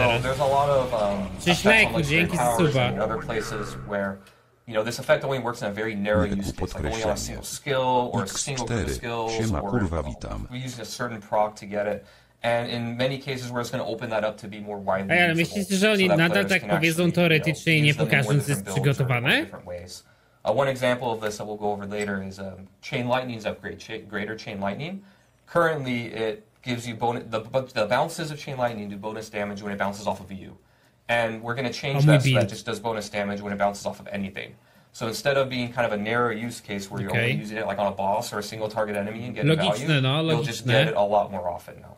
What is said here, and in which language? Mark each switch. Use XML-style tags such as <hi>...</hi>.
<en>So there's a lot of effects on like straight powers and other places where, you know, this effect only works in a very narrow use case, like only on a single skill or a single group of skills, or we're using a certain proc to get it. And in many cases where it's going to open that up to be more widely usable.</en> <pl>Ale myślisz, że oni nadal tak powiedzą teoretycznie i nie pokażą, że jest przygotowane?</pl> <en>One example of this that we'll go over later is Chain Lightning's upgrade, Greater Chain Lightning. Currently, it gives you the bounces of Chain Lightning do bonus damage when it bounces off of you. And we're going to change that so that just does bonus damage when it bounces off of anything. So instead of being kind of a narrow use case where you're only using it like on a boss or a single target enemy and getting value, you'll just get it a lot more often now.</en>